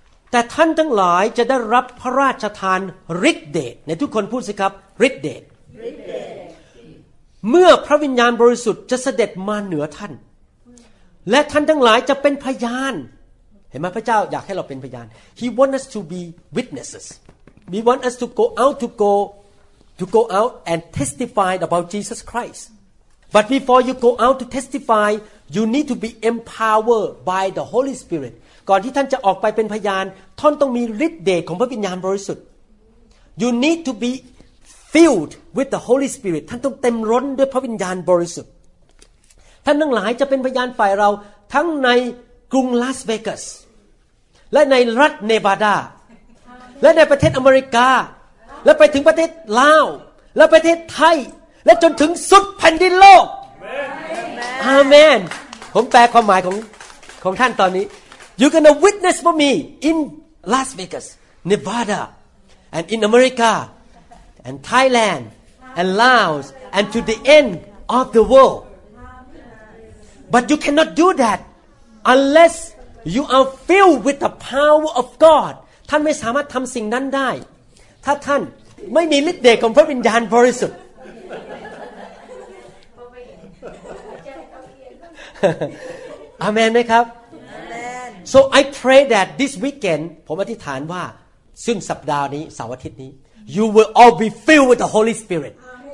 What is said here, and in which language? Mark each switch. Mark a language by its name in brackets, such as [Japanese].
[Thai] แต่ท่านทั้งหลายจะได้รับพระราชทานฤทธิ์เดชในทุกคนพูดสิครับฤทธิ์เดช ฤทธิ์เดช เมื่อพระวิญญาณบริสุทธิ์จะเสด็จมาเหนือท่านและท่านทั้งหลายจะเป็นพยานเห็นไหมพระเจ้าอยากให้เราเป็นพยาน [English] He want us to be witnesses. We want us to go out to go out and testify about Jesus Christ. But before you go out to testify, you need to be empowered by the Holy Spirit. [Thai] ก่อนที่ท่านจะออกไปเป็นพยานท่านต้องมีฤทธิ์เดชของพระวิญญาณบริสุทธิ์ [English] You need to be filled with the Holy Spirit. [Thai] ท่านต้องเต็มล้นด้วยพระวิญญาณบริสุทธิ์ท่านทั้งหลายจะเป็นพยานฝ่ายเราทั้งในกรุงลาสเวกัสและในรัฐเนวาดาและในประเทศอเมริกาและไปถึงประเทศลาวและประเทศไทยและจนถึงสุดแผ่นดินโลกอาเมนผมแปลความหมายของ ของท่านตอนนี้ [English] You're gonna witness for me in Las Vegas, Nevada, and in America, and Thailand, and Laos, and to the end of the world. But you cannot do that unless you are filled with the power of God. [Thai] ท่านไม่สามารถทำสิ่งนั้นได้ถ้าท่านไม่มีฤทธิ์เดชของพระวิญญาณบริสุทธิ์อาเมนไหมครับ [English] Amen. So I pray that this weekend [Thai] ผมอธิษฐานว่าซึ่งสัปดาห์นี้เสาร์อาทิตย์นี้ [English] You will all be filled with the Holy Spirit Amen.